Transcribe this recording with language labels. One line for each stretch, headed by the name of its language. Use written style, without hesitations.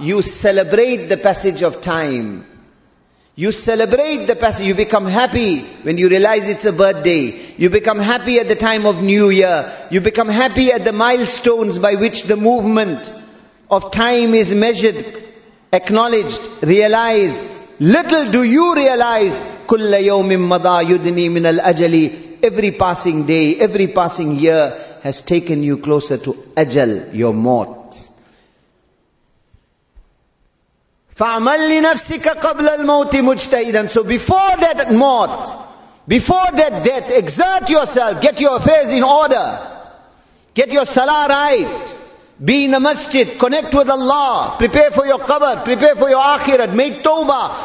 English: You celebrate the passage of time. You celebrate the passage. You become happy when you realize it's a birthday. You become happy at the time of New Year. You become happy at the milestones by which the movement of time is measured, acknowledged, realized. Little do you realize,
Arabic: كُلَّ يَوْمٍ مَضَى يُدْنِي مِنَ الْأَجَلِ.
English: Every passing day, every passing year has taken you closer to ajal, your mort.
Arabic: فَعْمَلْ لِنَفْسِكَ قَبْلَ الْمَوْتِ مُجْتَهِدًا.
English: So before that mort, before that death, exert yourself, get your affairs in order, get your salah right, be in the masjid, connect with Allah, prepare for your qabr, prepare for your akhirat, make tawbah.